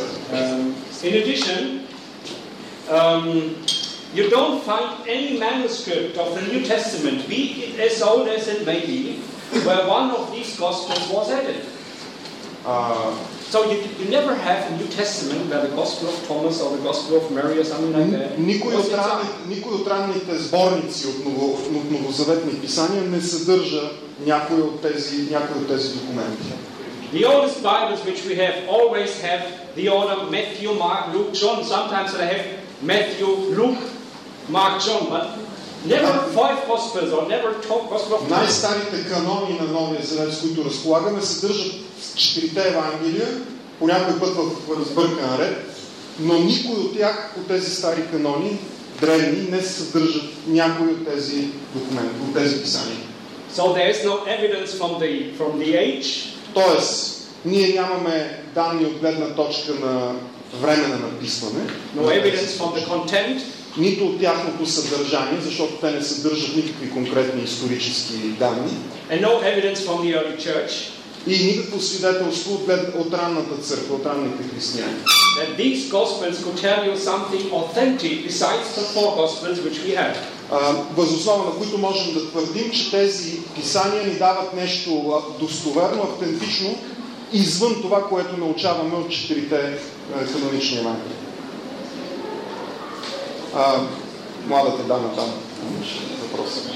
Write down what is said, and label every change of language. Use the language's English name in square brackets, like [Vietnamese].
[English] изказвания. In addition, you don't find any manuscript of the New Testament, be it as old as it may be, where one of these gospels was added. So you never have a New Testament where the Gospel of Thomas or the Gospel of Mary or something like that. [Bulgarian] Никой от ранните сборници от новозаветни писания не съдържа някой от тези документи. [English] The oldest Bibles which we have always have the order Matthew, Mark, Luke, John. Sometimes they have Matthew, Luke, Mark, John, but never five Gospels or never top Gospel of Thomas. [Bulgarian] Най-старите канони на Новия Завет, с които разполагаме, съдържат четирите евангелия, по някой път в разбъркан ред, но никой от тях, от тези стари канони, древни, не съдържат някой от тези документи, от тези писания. [English] So there is no evidence from the age. [Bulgarian] Тоест, ние нямаме данни от гледна точка на време на написване. [English] No evidence from the content. [Bulgarian] Нито от тяхното съдържание, защото те не съдържат никакви конкретни исторически данни. [English] And no evidence from the early church. [Bulgarian] И никакво свидетелство от ранната църква, от ранните християни. [English] That these gospels could tell you something authentic besides the four gospels which we have. [Bulgarian] Въз основа на които можем да твърдим, че тези писания ни дават нещо достоверно, автентично, извън това, което научаваме от четирите канонични евангелия. Младата дама там имаше въпрос.